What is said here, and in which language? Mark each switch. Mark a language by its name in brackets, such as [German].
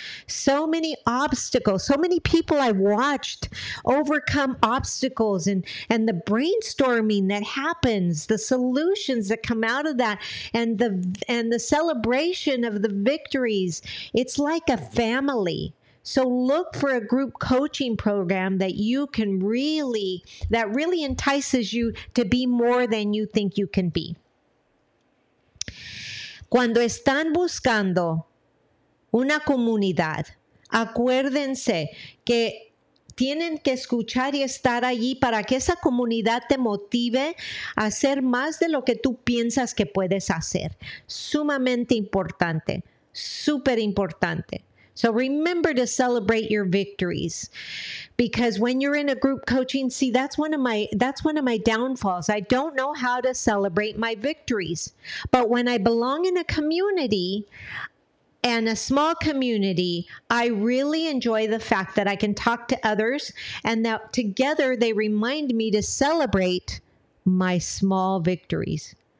[English] So many obstacles, so many people I've watched overcome obstacles and the brainstorming that happens, the solutions that come out of that and the celebration of the victories. It's like a family. So look for a group coaching program that you can really, that really entices you to be more than you think you can be. [Spanish] Cuando están buscando una comunidad, acuérdense que tienen que escuchar y estar allí para que esa comunidad te motive a hacer más de lo que tú piensas que puedes hacer. Sumamente importante, súper importante. [English] So remember to celebrate your victories, because when you're in a group coaching, see, that's one of my downfalls. I don't know how to celebrate my victories, but when I belong in a community and a small community, I really enjoy the fact that I can talk to others and that together they remind me to celebrate my small victories.